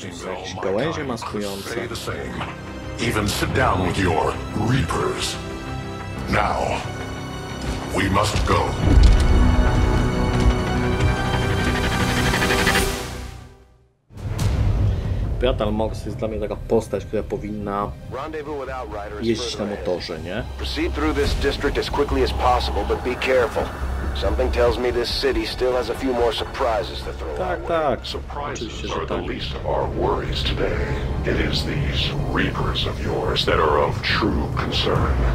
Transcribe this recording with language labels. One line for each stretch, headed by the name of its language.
Polish: Jakieś gałęzie maskujące.
English: Even sit down with your reapers. Now we must go.
Polish: Piatal Mox jest dla mnie taka postać, która powinna jeździć na motorze, nie?
English: Proceed through this district as quickly as possible, but be careful. Something tells me this city still has a few more surprises to throw.
Polish: Tak.
English: Surprises are the least of our worries today. It is these reapers of yours that are of true concern.